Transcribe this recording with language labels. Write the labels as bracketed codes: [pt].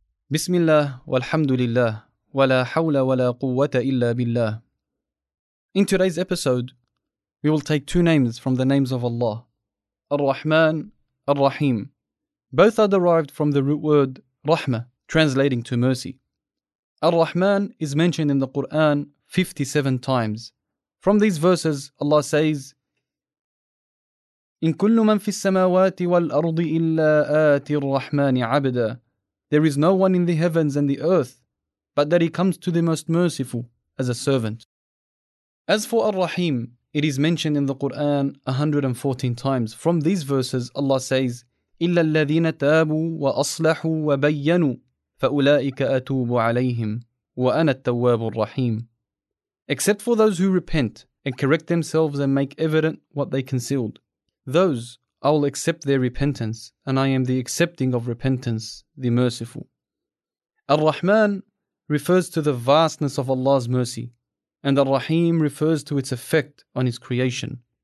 [ar] بسم الله والحمد لله ولا حول ولا قوة إلا بالله. [en] In today's episode, we will take two names from the names of Allah, Ar-Rahman, Ar-Rahim. Both are derived from the root word Rahmah, translating to mercy. Ar-Rahman is mentioned in the Quran 57 times. From these verses, Allah says, [ar] إِن كُلُّ مَن فِي السَّمَاوَاتِ وَالْأَرْضِ إِلَّا آتِ الرَّحْمَانِ عَبْدًا. [en] There is no one in the heavens and the earth, but that he comes to the most merciful as a servant. As for Ar-Rahim, it is mentioned in the Quran 114 times. From these verses, Allah says, [ar] إِلَّا الَّذِينَ تَابُوا وَأَصْلَحُوا وَبَيَّنُوا فَأُولَٰئِكَ أَتُوبُ عَلَيْهِمْ وَأَنَا التَّوَّابُ الرَّحِيمُ. [en] Except for those who repent and correct themselves and make evident what they concealed, those I will accept their repentance, and I am the accepting of repentance, the merciful. Ar-Rahman refers to the vastness of Allah's mercy, and Ar-Rahim refers to its effect on His creation.